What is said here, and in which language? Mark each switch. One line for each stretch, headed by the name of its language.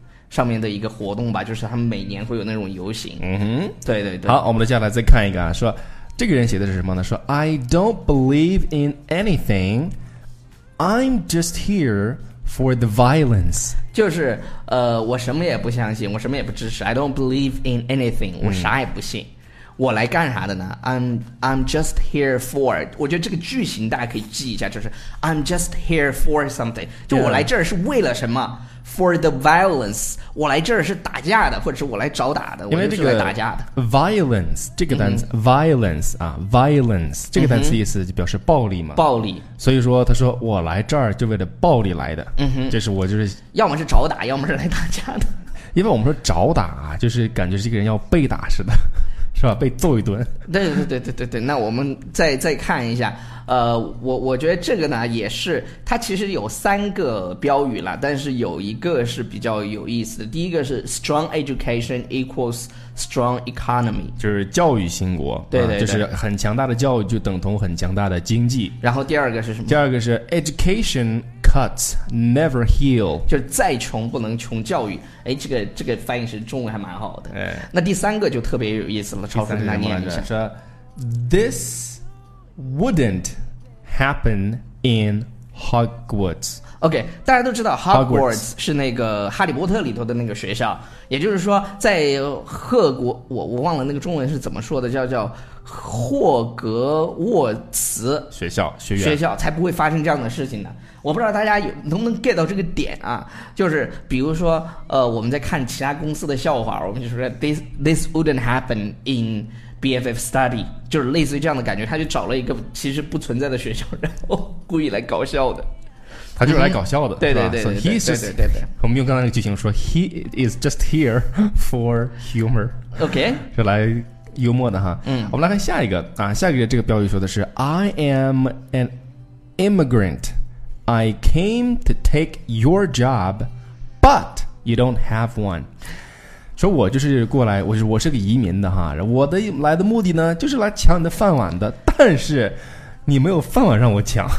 Chinese: 上面的一个活动吧，就是他们每年会有那种游行。嗯哼，对对对。好，我们接下来再看一个啊，说这个人写的是什么呢？说
English: I don't believe in anything, I'm just here for the violence。
Chinese: 就是我什么也不相信，我什么也不支持。
English: I don't believe in anything，
Chinese: 我啥也不信。我来干啥的呢 ？
English: I'm just here for。
Chinese: 我觉得这个句型大家可以记一下，就是
English: I'm just here for something。
Chinese: 就我来这儿是为了什么？
English: Yeah. For the violence，
Chinese: 我来这儿是打架的，或者是我来找打的，因为这个、我就是来打架的。 Violence 这个单词、violence 啊 ，violence 这个单词意思就表示暴力嘛，暴力。所以说，他说我来这儿就为了暴力来的，嗯、这是我就是要么是找打，要么是来打架的。因为我们说找打、啊，就是感觉这个人要被打似的，是吧？被揍一顿。对对对对对对。那我们再看一下。我觉得这个呢也是它其实有三个标语了，但是有一个是比较有意思的。第一个是
English: strong education equals strong economy，
Chinese: 就是教育兴国，对 对, 对、就是很强大的教育就等同很强大的经济。然后第二个是什么？第二个是
English: education cuts never heal，
Chinese: 就是再穷不能穷教育。哎，这个翻译是中文还蛮好的、哎、那第三个就特别有意思了，超分来念一下，说
English: thiswouldn't happen in Hogwarts.
Chinese: OK， 大家都知道 Hogwarts 是那个哈利波特里头的那个学校，也就是说在赫国，我忘了那个中文是怎么说的，叫霍格沃茨学校，学院学校才不会发生这样的事情呢。我不知道大家有能不能 get 到这个点啊，就是比如说我们在看其他公司的笑话，我们就说
English: this wouldn't happen inBFF study，
Chinese: 就是类似于这样的感觉，他就找了一个其实不存在的学校，然后故意来搞笑的。他就是来搞笑的，对对对对对对对。我们用刚才那个剧情说 ，
English: He is just here for humor。 OK，
Chinese: 是来幽默的哈。嗯，我们来看下一个啊，下一个这个标语说的是 ，
English: I am an immigrant， I came to take your job， but you don't have one。
Chinese: 说我就是过来，我是个移民的哈，我的来的目的呢就是来抢你的饭碗的，但是你没有饭碗让我抢，